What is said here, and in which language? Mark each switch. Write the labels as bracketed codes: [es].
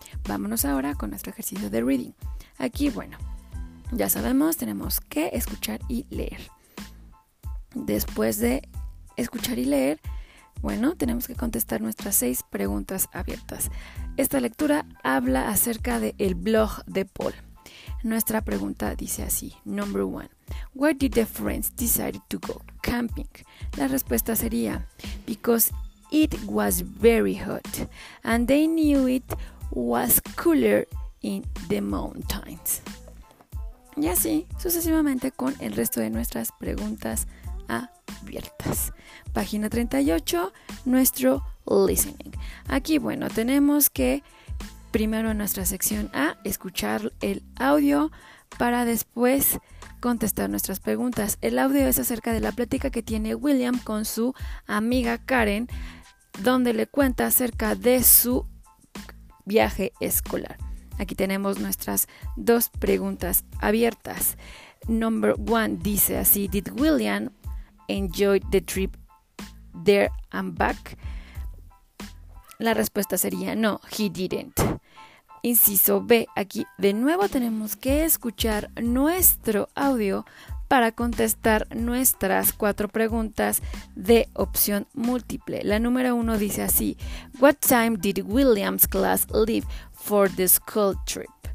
[es] Vámonos ahora con nuestro ejercicio de reading. Aquí, bueno, ya sabemos, tenemos que escuchar y leer. Después de escuchar y leer, bueno, tenemos que contestar nuestras 6 preguntas abiertas. Esta lectura habla acerca del blog de Paul. Nuestra pregunta dice así. [en] Number 1. Where did the friends decide to go camping? [es] La respuesta sería, [en] because it was very hot and they knew it was cooler in the mountains. [es] Y así sucesivamente con el resto de nuestras preguntas abiertas. Página 38, nuestro listening. Aquí, bueno, tenemos que primero en nuestra sección A escuchar el audio para después contestar nuestras preguntas. El audio es acerca de la plática que tiene William con su amiga Karen, donde le cuenta acerca de su viaje escolar. Aquí tenemos nuestras 2 preguntas abiertas. [en] Number 1 [es] dice así, [en] did William enjoy the trip there and back? [es] La respuesta sería no, [en] he didn't. [es] Inciso B, aquí de nuevo tenemos que escuchar nuestro audio para contestar nuestras 4 preguntas de opción múltiple. La número 1 dice así, [en] what time did William's class leave for the school trip?